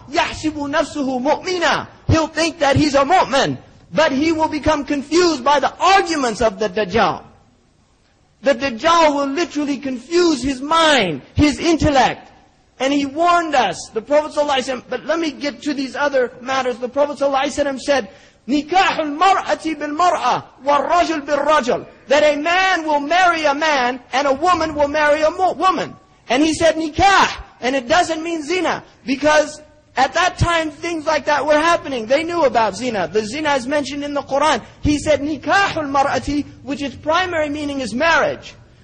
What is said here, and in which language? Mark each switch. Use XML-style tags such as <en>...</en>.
<ar>يَحْسِبُ نَفْسُهُ مُؤْمِنًا.</ar> <en>He'll think that he's a mu'min, but he will become confused by the arguments of the Dajjal. The Dajjal will literally confuse his mind, his intellect. And he warned us, the Prophet ﷺ, but let me get to these other matters. The Prophet ﷺ said,</en> <ar>نِكَاحُ الْمَرْأَةِ بِالْمَرْأَةِ وَالرَّجُلْ بِالرَّجُلْ.</ar> <en>That a man will marry a man, and a woman will marry a woman. And he said, nikah, and it doesn't mean zina, because at that time, things like that were happening. They knew about zina. The zina is mentioned in the Qur'an. He said,</en> <ar>nikahul mar'ati,</ar> <en>which its primary meaning is marriage.</en>